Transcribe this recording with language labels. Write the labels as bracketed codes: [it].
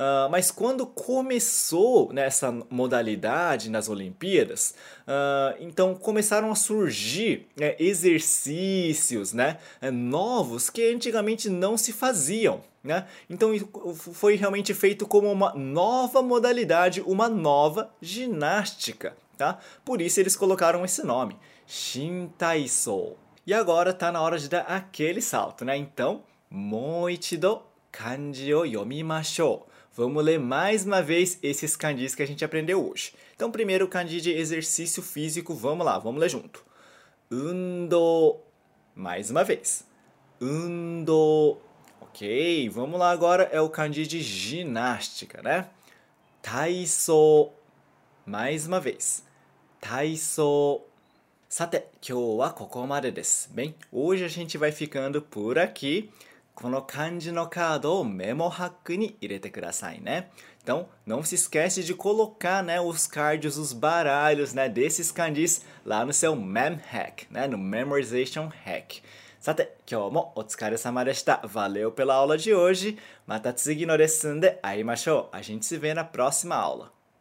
[pt] Mas quando começou, né, essa modalidade nas Olimpíadas, então começaram a surgir, né, exercícios, né, novos que antigamente não se faziam. Né? Então foi realmente feito como uma nova modalidade, uma nova ginástica. Tá? Por isso eles colocaram esse nome, Shin Taiso. E agora tá na hora de dar aquele salto, né? Então, [ja] もう一度漢字を読みましょう。 [pt] Vamos ler mais uma vez esses kanjis que a gente aprendeu hoje. Então, primeiro kanji de exercício físico, vamos lá, vamos ler junto. Undo. Mais uma vez. Undo. Ok, vamos lá agora, é o kanji de ginástica, né? Taiso. Mais uma vez. Taiso. [ja] さて、今日はここまでです。 [pt] Bem, hoje a gente vai ficando por aqui. [ja] この漢字のカードをメモハックに入れてくださいね。 [pt] Então, não se esquece de colocar, né, os cards, os baralhos, né, desses kanjis lá no seu Mem Hack, né, no Memorization Hack. [ja] さて、今日もお疲れ様でした。 [pt] Valeu pela aula de hoje. [ja] また次のレッスンで会いましょう。 [pt] A gente se vê na próxima aula.